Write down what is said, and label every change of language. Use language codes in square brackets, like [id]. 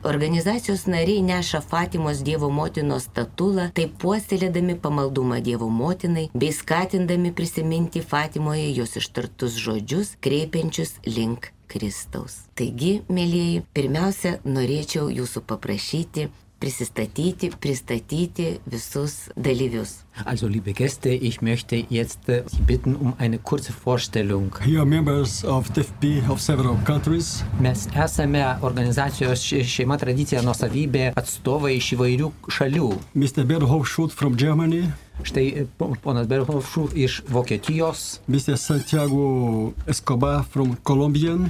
[lt] Organizacijos nariai neša Fatimos Dievo motinos statulą, taip puoselėdami pamaldumą Dievo motinai bei skatindami prisiminti Fatimoje jos ištartus žodžius, kreipiančius link Kristaus. Taigi, mėlyjei, pirmiausia, norėčiau jūsų paprašyti pristatyti visus dalyvius. [de] Also, liebe Gäste, ich möchte jetzt Sie bitten um eine kurze Vorstellung. [en] We are members of DFB of several countries. [lt] Mes esame organizacijos šeima tradicija nuosavybė atstovai iš įvairių šalių. [en] Mr. Berhoff Schut from Germany. [lt] Štai ponas Berhoff Schut iš Vokietijos. [en] Mr. Santiago Escobar from Colombia.